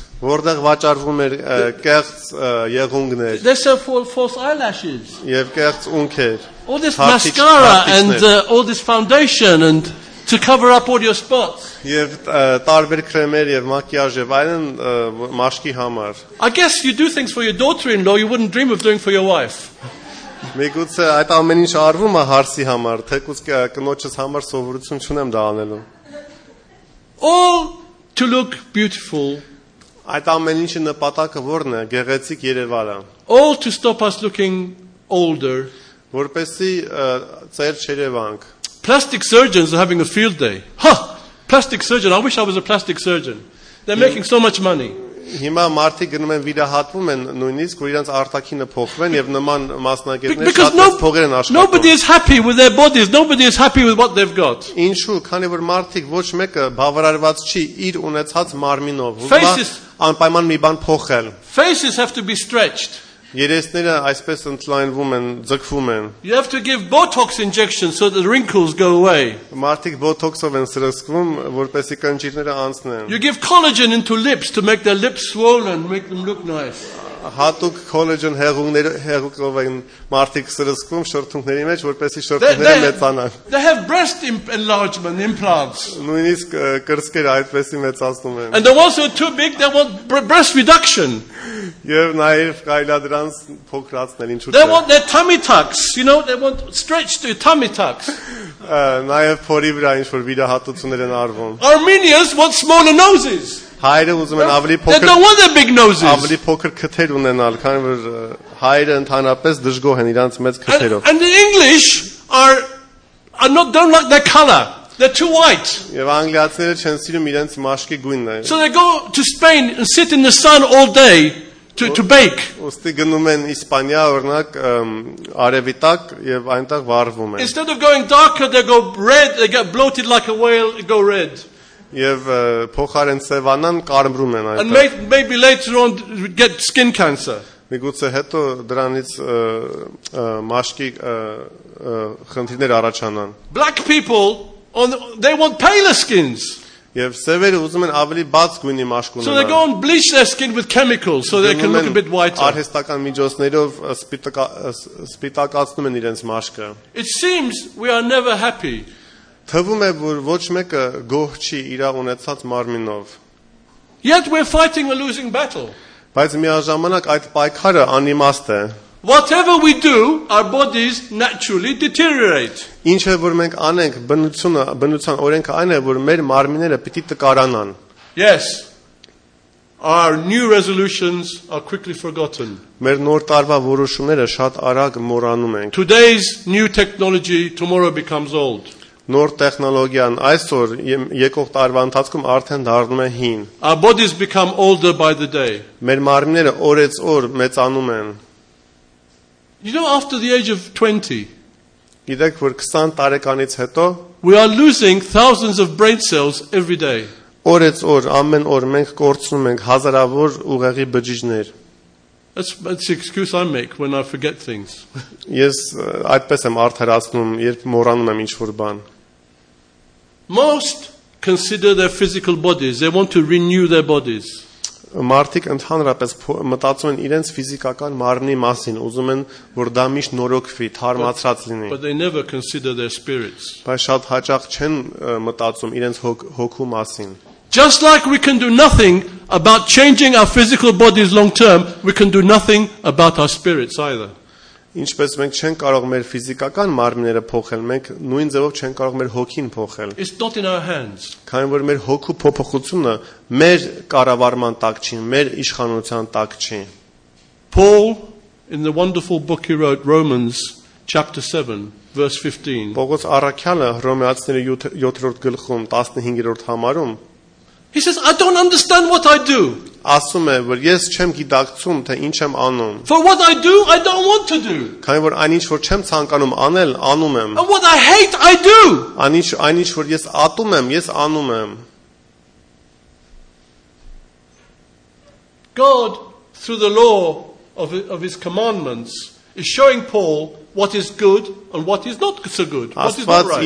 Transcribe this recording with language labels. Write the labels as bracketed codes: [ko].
[hy] Որտեղ վաճառվում էր կեղծ եղունգներ։ [en] There's a false eyelashes. [hy] Եվ կեղծ ունքեր։ [en] All this mascara and all this foundation and to cover up all your spots. [hy] Եվ տարբեր կրեմեր եւ մակիաժ եւ այլն մաշկի համար։ [en] I guess you do things for your daughter-in-law you wouldn't dream of doing for your wife. [hy] Միգուցե այդ ամեն ինչ արվում է հարսի համար, թե կուս կնոջս համար սովորություն չունեմ դա անելու։ [en] All to look beautiful. [hy] Այդ ամեն ինչի նպատակը ո՞րն է, գեղեցիկ Երևանը։ [en] All to stop us looking older. [hy] Որպեսի ծեր չերևանք։ [en] Plastic surgeons are having a field day. Ha! Plastic surgeon, I wish I was a plastic surgeon. They're making so much money. [hy] Հիմա մարդիկ գնում են վիրահատվում են նույնիսկ որ իրենց արտաքինը փոխվեն եւ նման մասնագետներ շատ փողեր են աշխատում։ [en] Nobody is happy with their bodies, nobody is happy with what they've got. [hy] Ինչու, քանի որ մարդիկ ոչ մեկը բավարարված չի իր ունեցած մարմինով, ուզում է անպայման մի բան փոխել։ [en] Faces have to be stretched. [hy] Երեսները այսպես ընդլայնվում են, ձգվում են. [en] You have to give Botox injections so that the wrinkles go away. [hy] Մարդիկ Botox-ով են սրսկվում, որպեսզի կնճիրները անցնեն. [en] You give collagen into lips to make their lips swollen and make them look nice. [hy] Հատուկ collagen հեղուկով են մարդիկ սրսկվում շրթունքների մեջ, որպեսզի շրթունքները մեծանան. [en] They have breast enlargement implants. [hy] Նույնիսկ կրծքերը այդպեսի մեծացնում են. [en] And they're also too big, they want breast reduction. [hy] Եվ նաև կայլադրանց փոքրացնել ինչու՞ [en] They want their tummy tucks, you know, they want stretched to tummy tucks. [hy] Նաև փորի վրա ինչ-որ վիրահատություններ են արվում. [en] Armenians want smaller noses. [hy] Հայերը ուզում են ավելի փոքր. [en] They don't want their big noses. [hy] Ավելի փոքր քթեր ունենալ, քանի որ հայերը ընդհանրապես դժգոհ են իրանց մեծ քթերով. [en] And the English are not don't like their color. They're too white. [hy] Եվ անգլիացիները չեն սիրում իրենց մաշկի գույնը. [en] So they go to Spain and sit in the sun all day. To bake. [hy] Ուստի գնում են Իսպանիա, օրինակ, արևի տակ եւ այնտեղ վառվում են. [en] Instead of going darker they go red, they get bloated like a whale, they go red. [hy] Եվ փոխարեն սևանան կարմրում են այդպես. [en] And maybe later on get skin cancer. [hy] Միգուցե հետո դրանից մաշկի խնդիրներ առաջանան. [en] Black people they want paler skins. [hy] Եվ սևերը ուզում են ավելի բաց գույնի մաշկ ունենալ. [en] So they go and bleach their skin with chemicals so they can look a bit whiter. [hy] Արհեստական միջոցներով սպիտակացնում են իրենց մաշկը. [en] It seems we are never happy. [hy] Թվում է, որ ոչ մեկը գոհ չի իր ունեցած մարմինով. [en] Yet we're fighting a losing battle. [hy] Բայց միաժամանակ այդ պայքարը անիմաստ է. [en] Whatever we do, our bodies naturally deteriorate. [hy] Ինչը որ մենք անենք, բնության օրենքը այն է, որ մեր մարմինները պիտի տկարանան. [en] Yes. Our new resolutions are quickly forgotten. [hy] Մեր նոր տարվա որոշումները շատ արագ մոռանում ենք. [en] Today's new technology tomorrow becomes old. [hy] Նոր տեխնոլոգիան այսօր եկող տարվա ընթացքում արդեն դառնում է հին. [en] Our bodies become older by the day. [hy] Մեր մարմինները օրից օր մեծանում են. [en] You know, after the age of 20, [hy] Գիտեք, որ 20 տարեկանից հետո, [en] we are losing thousands of brain cells every day. [hy] Օրից օր, ամեն օր մենք կորցնում ենք հազարավոր ուղեղի բջիջներ. [en] That's the excuse I make when I forget things. [hy] Ես այդպես եմ արդարացնում, երբ մոռանում եմ ինչ-որ բան. [en] Most consider their physical bodies. They want to renew their bodies. [hy] Մարդիկ ընդհանրապես մտածում են իրենց ֆիզիկական մարմնի մասին, ուզում են, որ դա միշտ նորոգվի, թարմացրած լինի։ Բայց շատ հաճախ չեն մտածում իրենց հոգու մասին։ [en] Just like we can do nothing about changing our physical bodies long term, we can do nothing about our spirits either. [hy] Ինչպես մենք չենք կարող մեր ֆիզիկական մարմինները փոխել, մենք նույն ձևով չենք կարող մեր հոգին փոխել։ [en] It's not in our hands. [hy] Քանի որ մեր հոգու փոփոխությունը մեր կառավարման տակ չի, մեր իշխանության տակ չի։ [en] Paul in the wonderful book he wrote Romans chapter 7 verse 15. [hy] Պողոս առաքյալը Ռոմեացիների 7-րդ գլխում 15-րդ համարում [en] He says, I don't understand what I do. [hy] Ասում է, որ ես չեմ գիտակցում, թե ինչ եմ անում. [en] For what I do, I don't want to do. [hy] Քանի որ այնինչ, որ չեմ ցանկանում անել, անում եմ. [en] And what I hate, I do. [hy] Այնինչ, որ ես ատում եմ, ես անում եմ. [en] God, through the law of his commandments, is showing Paul what is good and what is not so good what is not right